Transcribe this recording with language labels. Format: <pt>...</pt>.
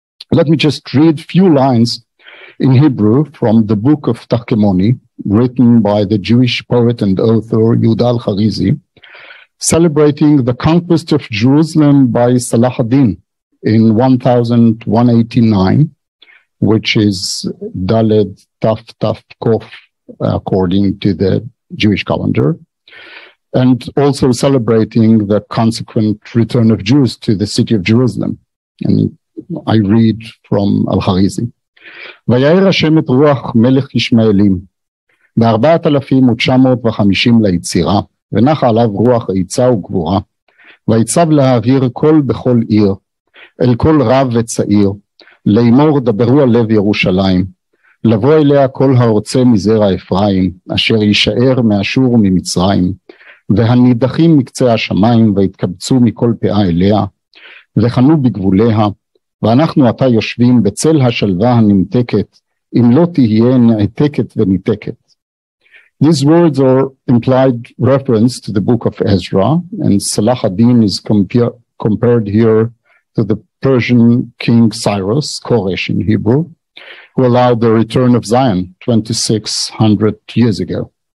<en>Let me just read a few lines in Hebrew from the Book of Tachkemoni, written by the Jewish poet and author Yudal Harizi, celebrating the conquest of Jerusalem by Salah ad-Din in 1189, which is Daled Taf Taf Kof, according to the Jewish calendar, and also celebrating the consequent return of Jews to the city of Jerusalem. And I read from Al-Harizi.</en> <he>Vayayir Hashem et Ruach Melech Yishmaelim ב-4,950 ליצירה, ונחה עליו רוח עיצה וגבורה, ועיצב להעביר כל בכל עיר, אל כל רב וצעיר, לאמור דברו על לב ירושלים, לבוא אליה כל הרוצה מזרע אפרים, אשר יישאר מאשור וממצרים, והנידחים מקצה השמיים, והתקבצו מכל פאה אליה, וחנו בגבוליה, ואנחנו עתה יושבים בצל השלווה הנמתקת, אם לא תהיה נעתקת וניתקת.</he> <en>These words are implied reference to the book of Ezra, and Salah ad-Din is compared here to the Persian king Cyrus, Koresh in Hebrew, who allowed the return of Zion 2600 years ago.</en>